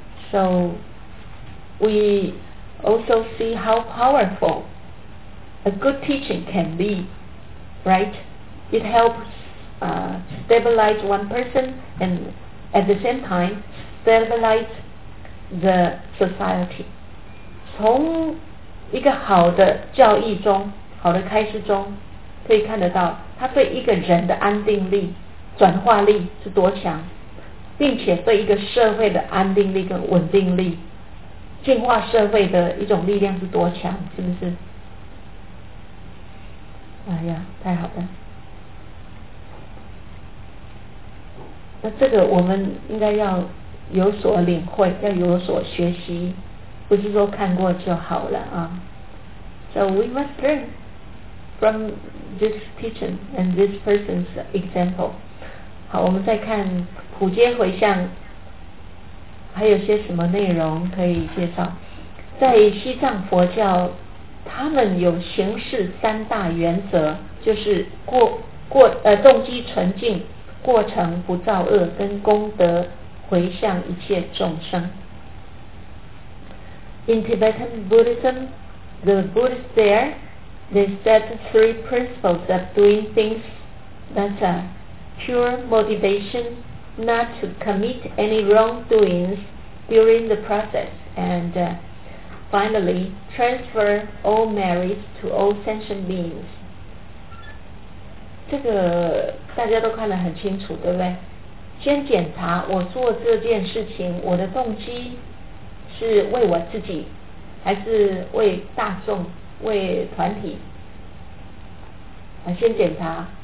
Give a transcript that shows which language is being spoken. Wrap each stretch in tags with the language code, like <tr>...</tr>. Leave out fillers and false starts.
<en>So we also see how powerful a good teaching can be, right? It helps stabilize one person and at the same time stabilize the society.</en> <zh>从一个好的教义中，好的开示中，可以看得到它对一个人的安定力、转化力是多强，并且对一个社会的安定力跟稳定力、净化社会的一种力量是多强，是不是？哎呀，太好了。那这个我们应该要有所领会，要有所学习，不是说看过就好了啊。</zh> <en>So we must learn from this teaching and this person's example.</en> <zh>好，我们再看普皆回向还有些什么内容可以介绍。在西藏佛教，他们有行事三大原则，就是动机纯净，过程不造恶，跟功德回向一切众生。</zh> <en>In Tibetan Buddhism, the Buddhists there, they set three principles of doing things. That's a pure motivation not to commit any wrongdoings during the process. And finally, transfer all merits to all sentient beings.</en> <zh>这个大家都看得很清楚，对不对？先检查我做这件事情，我的动机是为我自己还是为大众为团体，先检查。</zh>